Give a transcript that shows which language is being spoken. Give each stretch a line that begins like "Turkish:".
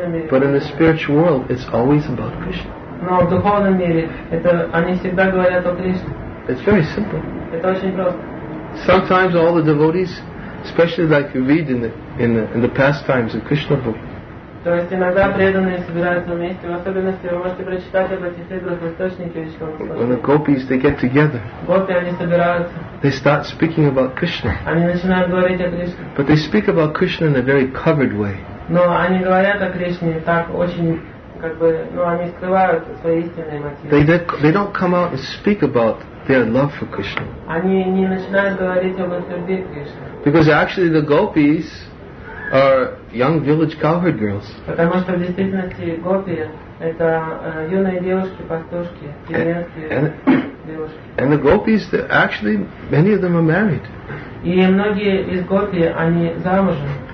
English: But in the spiritual world, it's always about Krishna.
Russian: Но в духовном мире это они всегда говорят о Кришне.
English: It's very simple.
Russian: Это очень просто.
English: Sometimes all the devotees, especially like you read in the pastimes of Krishna book.
Russian: То есть иногда преданные собираются вместе, в особенности вы можете прочитать об этих идолах в источнике Кришны.
English: When the gopis they get together.
Russian: Гопи они собираются.
English: They start speaking about Krishna.
Russian: Они начинают говорить о Кришне.
English: But they speak about Krishna in a very covered way.
Russian: Но они говорят о Кришне так очень. Как бы, ну, они скрывают свои истинные мотивы.
English: They don't come out and speak about their love for Krishna.
Russian: Они не начинают говорить об их любви к Кришне.
English: Because actually the gopis are young village cowherd girls.
Russian: Потому что в действительности гопи это юные девушки, пастушки, деревенские девушки.
English: And the gopis, actually many of them are married.
Russian: И многие из гопи они замужем.